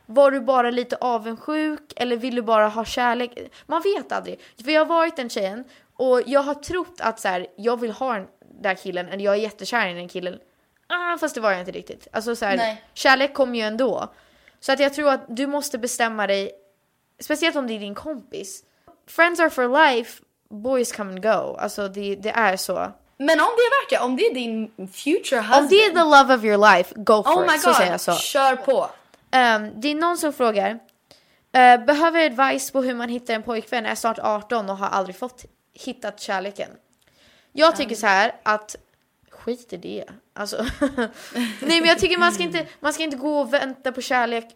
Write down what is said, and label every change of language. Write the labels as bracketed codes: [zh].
[sv] Var du bara lite avundsjuk eller vill du bara ha kärlek? Man vet aldrig. För jag har varit en tjejen och jag har trott att så här, jag vill ha den där killen och jag är jättekär i den killen. Fast det var jag inte riktigt. Alltså, så här, kärlek kommer ju ändå. Så att jag tror att du måste bestämma dig, speciellt om det är din kompis. [en] Friends are for life, boys come and go. [sv] Alltså det är så. Men om det är värt det, om det är din [en] future husband, [sv] om det är [en] the love of your life, go for it. [sv] Så säger jag så. Kör på. Det är någon som frågar, behöver advice på hur man hittar en pojkvän, är snart 18 och har aldrig fått hittat kärleken. Jag tycker så här att skit i det. Alltså, nej men jag tycker man ska inte gå och vänta på kärlek.